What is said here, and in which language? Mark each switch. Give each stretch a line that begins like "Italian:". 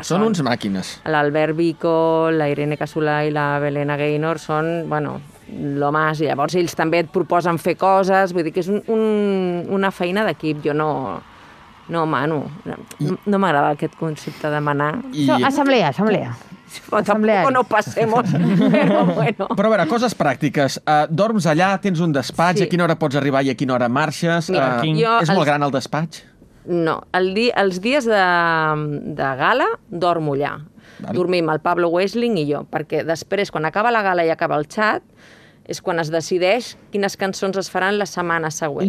Catalan: són uns màquines. L'Albert Vico, la Irene Casulà i la Belena Gaynor són, bueno,
Spanish: lo más.
Catalan: I llavors ells també et proposen fer coses. Vull dir que és una feina d'equip. Jo no mano. No m'agrada aquest concepte de manar. Assemblea.
Spanish: Tampoco no pasemos, pero bueno.
Catalan: Però a veure, coses pràctiques. Dorms allà, tens un despatx, sí. A quina hora pots arribar i a quina hora marxes? Molt gran el despatx? No, els dies de gala dormo allà. Dormim el Pablo Wessling i jo, perquè després, quan acaba la gala i acaba el xat, és quan es decideix quines cançons es faran la setmana següent.